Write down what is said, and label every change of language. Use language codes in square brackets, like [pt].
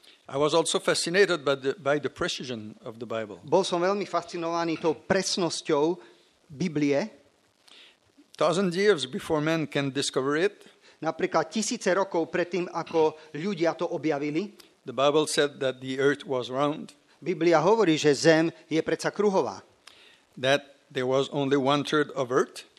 [en] I was also fascinated by the precision of the Bible. [sk] Bol som veľmi fascinovaný tou presnosťou Biblie. [en] Thousands of years before men can discover it. [sk] Napríklad tisíce rokov predtým, ako ľudia to objavili. [en] The Bible said that the earth was round. [sk] Biblia hovorí, že zem je predsa kruhová. [en] That there was only one third of earth.